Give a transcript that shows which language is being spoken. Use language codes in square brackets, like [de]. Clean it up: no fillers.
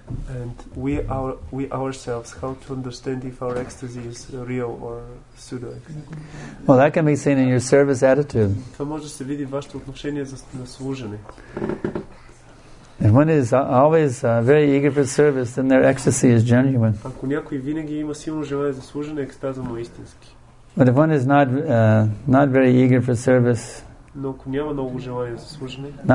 [en] And we ourselves, how to understand if our ecstasy is real or pseudo ecstasy? Well, that can be seen in your service attitude. [bg] Това може да се види вашето отношение за служене. [en] If one is always very eager for service, then their ecstasy is genuine. [bg] Ако някой винаги има силно желание за служене, екстаза му е истински. [en] But if one is not very eager for service, [bg] но ако няма много желание за служене,